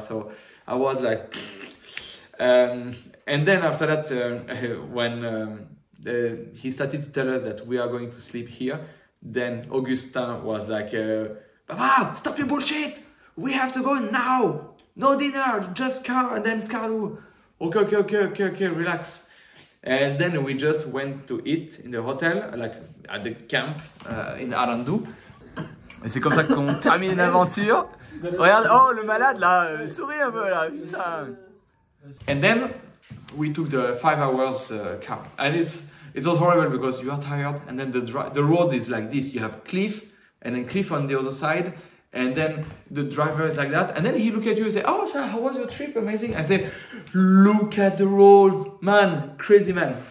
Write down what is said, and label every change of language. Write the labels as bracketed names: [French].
[English] So I was like, and then after that, when he started to tell us that we are going to sleep here, then Augustin was like, Baba, stop your bullshit! We have to go now! No dinner, just car and then Skardu. Okay, relax. And then we just went to eat in the hotel, like at the camp in Arandu. [French] Et c'est comme ça qu'on termine l'aventure. Regarde, oh le malade là, souris un peu là, putain. [English] And then we took the 5 hours car. And it was horrible because you are tired. And then the road is like this. You have cliff and then cliff on the other side. And then the driver is like that. And then he look at you and say, oh, sir, how was your trip? Amazing. I said, look at the road, man, crazy man.